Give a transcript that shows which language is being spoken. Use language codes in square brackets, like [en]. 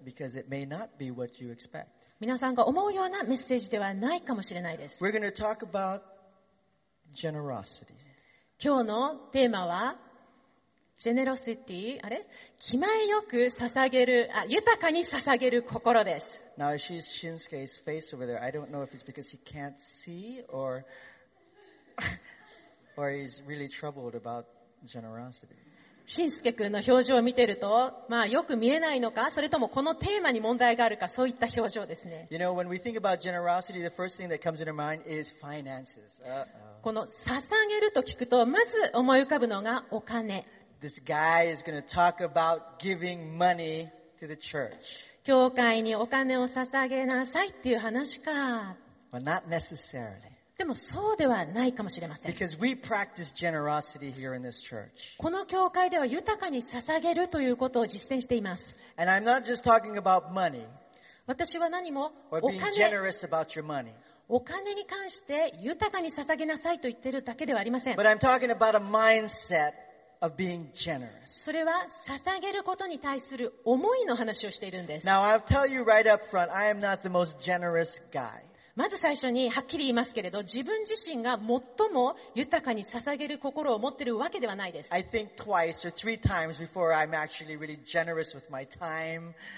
[en] Because it may not be what you expect. [ja] 皆さんが思うようなメッセージではないかもしれないです。 [en] We're going to talk about generosity. [ja] 今日のテーマは generosity、 あれ、気前よく捧げる、あ、豊かに捧げる心です。 [en] Now I see Shinsuke's face over there. I don't know if it's because he can't see or he's really troubled about generosity. [ja] しんすけ君の表情を見てると、まあ、よく見えないのか、それともこのテーマに問題があるか、そういった表情ですね。 [en] You know, when we think about generosity, the first thing that comes in our mind is finances. [ja] この捧げると聞くと、まず思い浮かぶのがお金。 [en] This guy is going to talk about giving money to the church. [ja] 教会にお金を捧げなさいっていう話か。 [en] But not necessarily. [ja] でもそうではないかもしれません。 [en] Because we practice generosity here in this church. [ja] この教会では豊かに捧げるということを実践しています。 [en] And I'm not just talking about money. [ja] 私は何もお金、 [en] or being generous about your money. [ja] お金に関して豊かに捧げなさいと言っているだけではありません。 [en] But I'm talking about a mindset of being generous. [ja] それは捧げることに対する思いの話をしているんです。 [en] Now I'll tell you right up front, I am not the most generous guy. [ja] まず最初にはっきり言いますけれど、自分自身が最も豊かに捧げる心を持っているわけではないです。 [en] I think twice or three times before I'm actually really generous with my time.